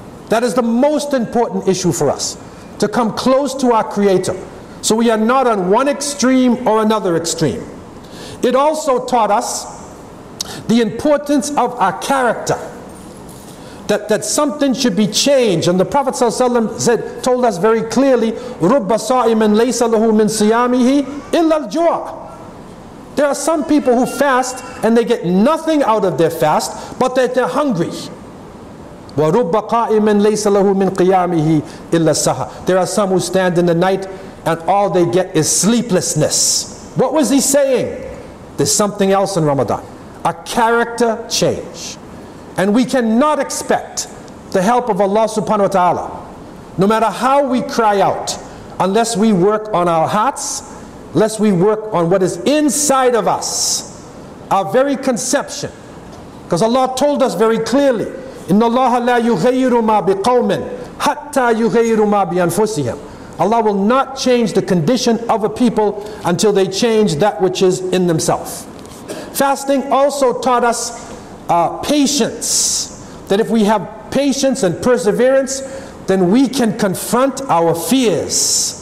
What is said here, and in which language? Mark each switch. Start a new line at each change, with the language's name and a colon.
English: That is the most important issue for us, to come close to our Creator. So we are not on one extreme or another extreme. It also taught us the importance of our character, that something should be changed. And the Prophet ﷺ said, told us very clearly,
Arabic: رُبَّ صَائِمٍ لَيْسَ لَهُ مِنْ صِيَامِهِ إِلَّا الْجُوعَ.
English: There are some people who fast and they get nothing out of their fast, but that they're hungry.
Arabic: وَرُبَّ قَائِمٍ لَيْسَ لَهُ مِنْ قِيَامِهِ إِلَّا السَّهَى.
English: There are some who stand in the night and all they get is sleeplessness. What was he saying? There's something else in Ramadan, a character change. And we cannot expect the help of Allah subhanahu wa ta'ala, no matter how we cry out, unless we work on our hearts, unless we work on what is inside of us, our very conception. Because Allah told us very clearly,
Arabic: إِنَّ اللَّهَ لَا يُغَيِّرُ مَا بِقَوْمٍ حَتَّى يُغَيِّرُ مَا بِأَنفُسِهِمْ.
English: Allah will not change the condition of a people until they change that which is in themselves. Fasting also taught us patience. That if we have patience and perseverance, then we can confront our fears.